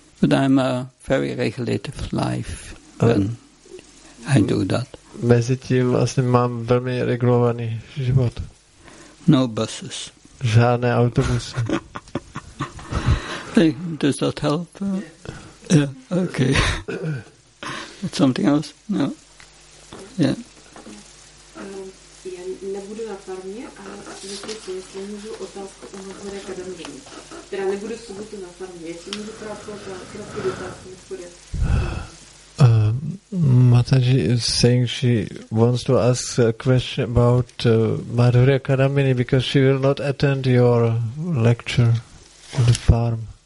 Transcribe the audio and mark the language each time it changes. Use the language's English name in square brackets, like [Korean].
[English] But I'm a very regulative life when I do that. [Czech] Mezi tím vlastně mám velmi regulovaný život. [English] No buses. [Czech] Žádné autobusy. [English] Does that help? Yeah, okay. Something else? No. Yeah. [Czech] Já nebudu na farmě, ale zase, jestli můžu otázku o Mahmure Kadamjini. Teda nebudu v sobotu na farmě, jestli můžu krátkou otázku dotázku. [English] Mataji is saying she wants to ask a question about Madhurya Kadambini because she will not attend your lecture on the farm.